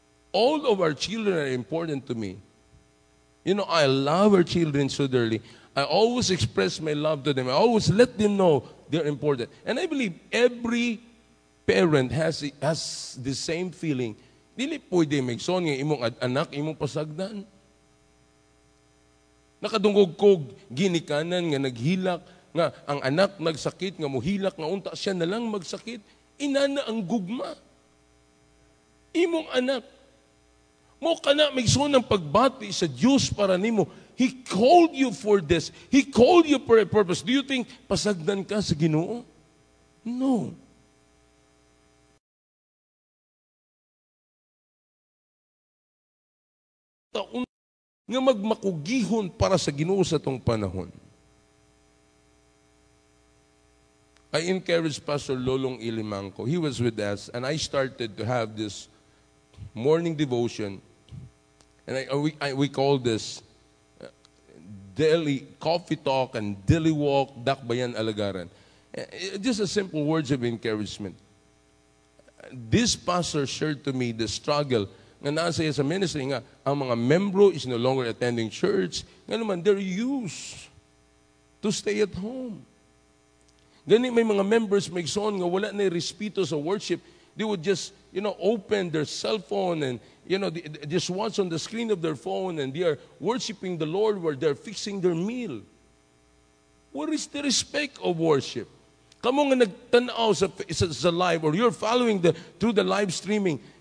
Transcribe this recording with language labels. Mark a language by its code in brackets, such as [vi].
[en] All of our children are important to me. You know, I love our children so dearly. I always express my love to them. I always let them know they're important. And I believe every parent has the same feeling. [ceb] Dili pwede magson nga imong anak, imong pasagdan. Nakadungog ko ginikanan nga naghilak, nga ang anak nagsakit, nga muhilak, nga unta siya na lang magsakit. Inana ang gugma. Imong anak. Mo kana magsoon ng pagbati sa Diyos para nimo. [en] He called you for this. He called you for a purpose. Do you think [ceb] pasagdan ka sa Ginoo? [en] No. [ceb] Taon nga magmakugihon para sa Ginoo sa tong panahon. [en] I encouraged Pastor Lolong Ilimangko. He was with us and I started to have this morning devotion. And we call this daily coffee talk and daily walk, dakbayan alagaran. Just a simple words of encouragement. This pastor shared to me the struggle [ceb] na nasa sa ministry nga, ang mga membro [en] is no longer attending church. [ceb] Nga naman, [en] they're used to stay at home. [ceb] Gani may mga members may son nga wala na respeto sa worship. [en] They would just, you know, open their cell phone and, you know, they just watch on the screen of their phone and they are worshiping the Lord while they're fixing their meal. Where is the respect of worship? [ceb] Kamo nga nagtanaw sa live [en] or you're following through the live streaming.